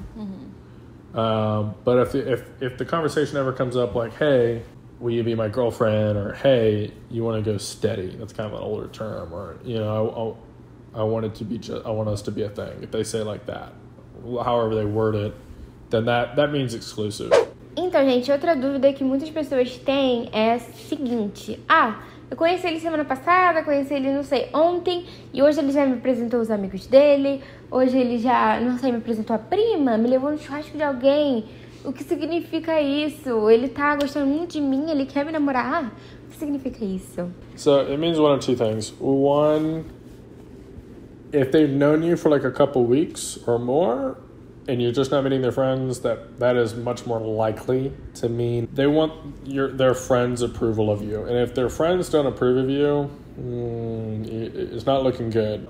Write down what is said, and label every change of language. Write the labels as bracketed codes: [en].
[en] Mm-hmm. But if the conversation ever comes up like, hey, will you be my girlfriend? Or, hey, you want to go steady? That's kind of an older term. Or, you know, I want us to be a thing. If they say like that, however they word it, then that means exclusive. [pt] Então, gente, outra dúvida que muitas pessoas têm é a seguinte. Ah, eu conheci ele semana passada, conheci ele, não sei, ontem, e hoje ele já me apresentou os amigos dele, hoje ele já, não sei, me apresentou a prima, me levou no churrasco de alguém. O que significa isso? Ele tá gostando muito de mim, ele quer me namorar? O que significa isso? [en] So, it means one of two things. One, if they've known you for like a couple weeks or more, and you're just not meeting their friends, that is much more likely to mean they want their friends' approval of you. And if their friends don't approve of you, it's not looking good.